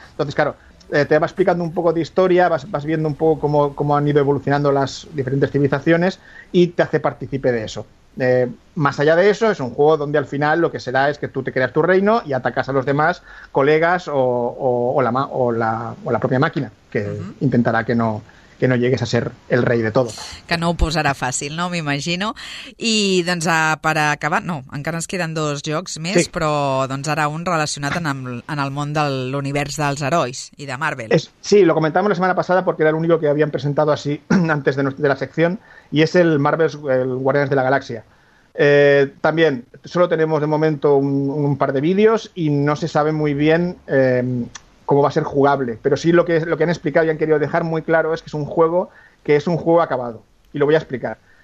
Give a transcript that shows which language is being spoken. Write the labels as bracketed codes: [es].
[es] Entonces, claro, te va explicando un poco de historia, vas viendo un poco cómo han ido evolucionando las diferentes civilizaciones y te hace partícipe de eso. Más allá de eso, es un juego donde al final lo que será es que tú te creas tu reino y atacas a los demás colegas o la propia máquina, que uh-huh. intentará que no que no llegues a ser el rei de todo. [ca] Que no ho posarà fàcil, no? M'imagino. I doncs per acabar, no, encara ens queden dos jocs més, sí, però doncs ara un relacionat en el món de l'univers dels herois i de Marvel. [es] Es, sí, lo comentamos la semana pasada porque era el único que habían presentado así antes de la sección, y es el Marvel's el Guardians de la Galaxia. También, solo tenemos de momento un par de vídeos y no se sabe muy bien cómo va a ser jugable, pero sí lo que han explicado y han querido dejar muy claro es que es un juego que es un juego acabado, y lo voy a explicar.